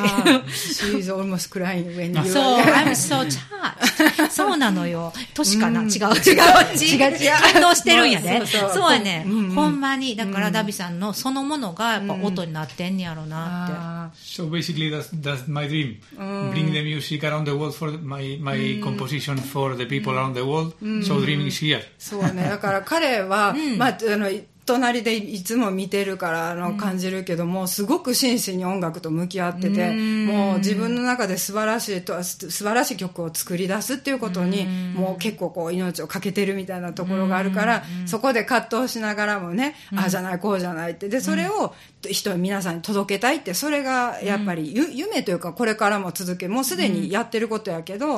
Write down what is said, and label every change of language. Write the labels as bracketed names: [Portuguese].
[English] She's almost crying when you [Japanese] そう、 [English] I'm so touched。 [Japanese] そうなのよ、年かな、違う感動してるんやね。そうやね、ほんまに。だからダビさんのそのものがやっぱ音になってんやろうなって、 [English] So basically that's my dream. Bring the musicAround the world for my composition for the people around the world. So dreaming is here. [Japanese] そうね。だから彼は、まあ、あの隣でいつも見てるからあの感じるけども、すごく真摯に音楽と向き合ってて、もう自分の中で素晴らしい曲を作り出すっていうことに、もう結構こう命をかけてるみたいなところがあるから、そこで葛藤しながらもね、ああじゃないこうじゃないって、でそれを人皆さんに届けたいって、それがやっぱり夢というか、これからも続け、もうすでにやってることやけど、